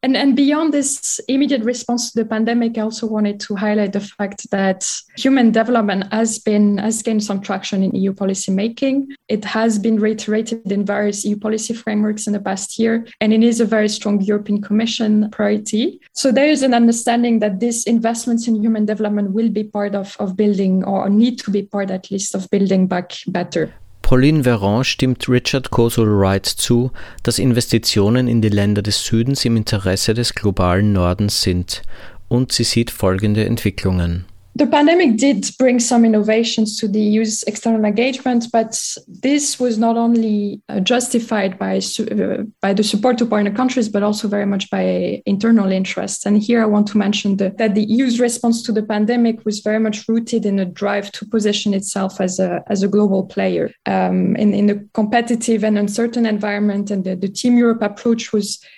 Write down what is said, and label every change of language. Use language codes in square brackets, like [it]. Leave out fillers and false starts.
[en] And beyond this immediate response to the pandemic, I also wanted to highlight the fact that human development has gained some traction in EU policymaking. It has been reiterated in various EU policy frameworks in the past year, and it is a very strong European Commission priority. So there is an understanding that these investments in human development will be part of building or need to be part at least of building back better. [de] Pauline Véran stimmt Richard Kozul Wright zu, dass Investitionen in die Länder des Südens im Interesse des globalen Nordens sind. Und sie sieht folgende Entwicklungen. [en] The pandemic did bring some innovations to the EU's external engagement, but this was not only justified by the support to partner countries, but also very much by internal interests. And here I want to mention that the EU's response to the pandemic was very much rooted in a drive to position itself as a global player in a competitive and uncertain environment. And the Team Europe approach was